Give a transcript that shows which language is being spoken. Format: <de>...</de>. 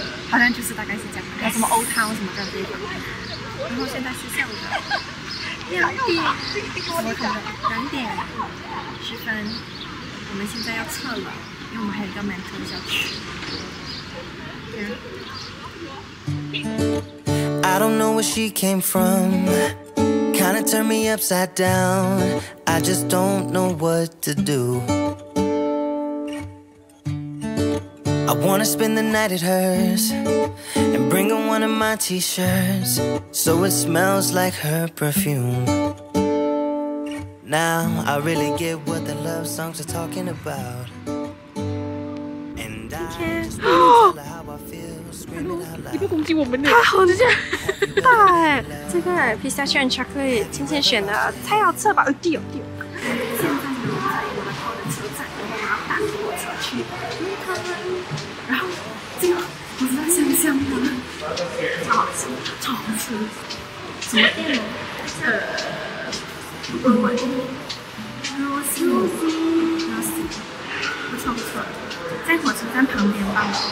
<zh>好像就是大概是这样，还有什么 Old Town 什么这样的地方。然后现在是下午的2:10，我们现在要撤了，因为我们还有一个门特要去。</zh> <en>I don't know where she came from, kinda turned me upside down, I just don't know what to do. I wanna spend the night at hers, and bring her one of my t-shirts, so it smells like her perfume. Now I really get what the love songs are talking about. And I just love how I feel.</en> <zh>你不攻击我们了，它好像很大哎，这个 pistachio and chocolate 今天选的太好吃了吧，丢丢。现在我们在我们车站，我们在火车站旁边吧。</zh>